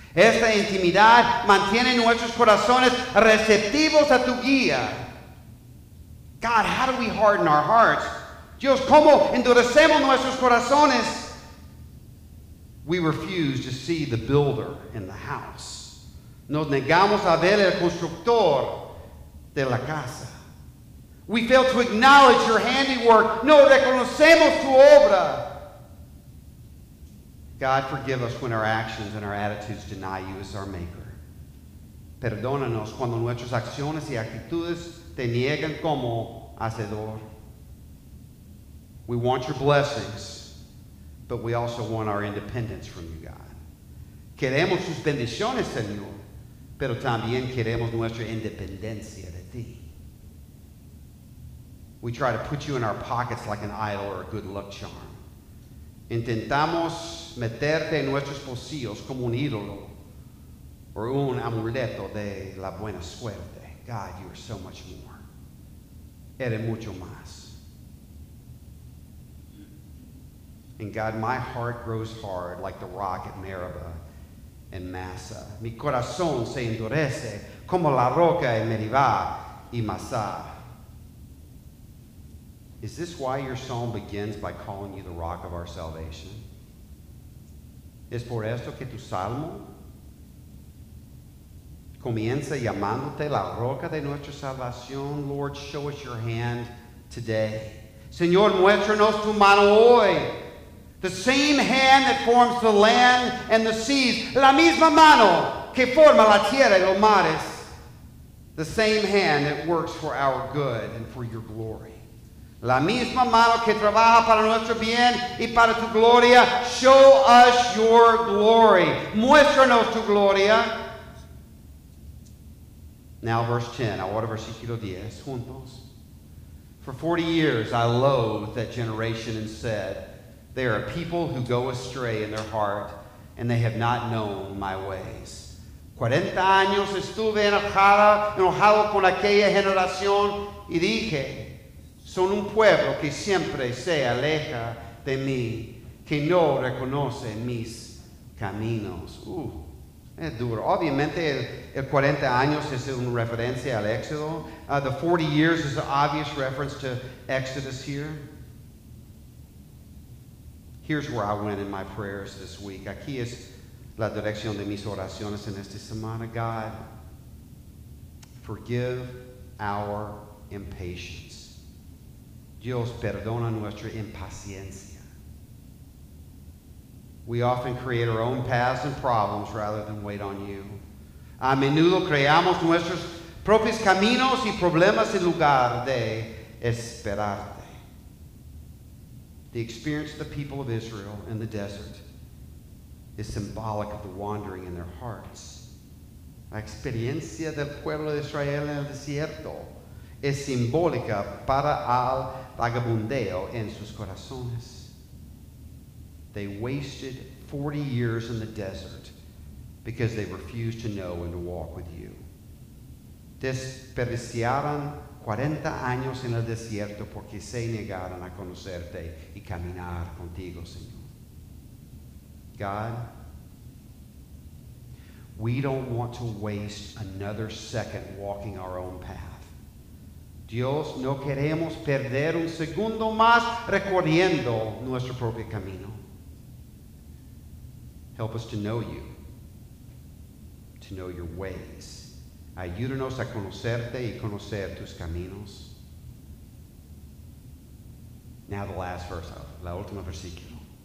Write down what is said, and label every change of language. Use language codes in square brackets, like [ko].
[es] Esta intimidad mantiene nuestros corazones receptivos a tu guía. [en] God, how do we harden our hearts? [es] Dios, ¿cómo endurecemos nuestros corazones? [en] We refuse to see the builder in the house. [es] Nos negamos a ver el constructor de la casa. [en] We fail to acknowledge your handiwork. [es] No reconocemos tu obra. [en] God, forgive us when our actions and our attitudes deny you as our maker. [es] Perdónanos cuando nuestras acciones y actitudes te niegan como hacedor. [en] We want your blessings, but we also want our independence from you, God. [es] Queremos tus bendiciones, Señor, pero también queremos nuestra independencia de ti. [en] We try to put you in our pockets like an idol or a good luck charm. [es] Intentamos meterte en nuestros bolsillos como un ídolo o un amuleto de la buena suerte. [en] God, you are so much more. [es] Eres mucho más. [en] And God, my heart grows hard like the rock at Meribah and Massah. [es] Mi corazón se endurece como la roca en Meribah y Massah. [en] Is this why your psalm begins by calling you the rock of our salvation? [es] ¿Es por esto que tu salmo comienza llamándote la roca de nuestra salvación? [en] Lord, show us your hand today. [es] Señor, muéstranos tu mano hoy. [en] The same hand that forms the land and the seas. [es] La misma mano que forma la tierra y los mares. [en] The same hand that works for our good and for your glory. [es] La misma mano que trabaja para nuestro bien y para tu gloria. [en] Show us your glory. [es] Muéstranos tu gloria. [en] Now verse 10. [es] Ahora versículo 10. Juntos. [en] For 40 years I loathed that generation and said, they are a people who go astray in their heart, and they have not known my ways. [es] 40 años estuve enojado con aquella generación, y dije, son un pueblo que siempre se aleja de mí, que no reconoce mis caminos. Es duro. Obviamente, el 40 años es una referencia al Éxodo. [en] The 40 years is an obvious reference to Exodus here. Here's where I went in my prayers this week. [es] Aquí es la dirección de mis oraciones en esta semana. [en] God, forgive our impatience. [es] Dios, perdona nuestra impaciencia. [en] We often create our own paths and problems rather than wait on you. [es] A menudo creamos nuestros propios caminos y problemas en lugar de esperarte. [en] The experience of the people of Israel in the desert is symbolic of the wandering in their hearts. [es] La experiencia del pueblo de Israel en el desierto es simbólica para el vagabundeo en sus corazones. [en] They wasted 40 years in the desert because they refused to know and to walk with you. [es] Desperdiciaron 40 años en el desierto porque se negaron a conocerte y caminar contigo, Señor. [en] God, we don't want to waste another second walking our own path. [es] Dios, no queremos perder un segundo más recorriendo nuestro propio camino. [en] Help us to know you, to know your ways. [es] Ayúdanos a conocerte y conocer tus caminos. [en] Now the last verse, [es] la última versículo.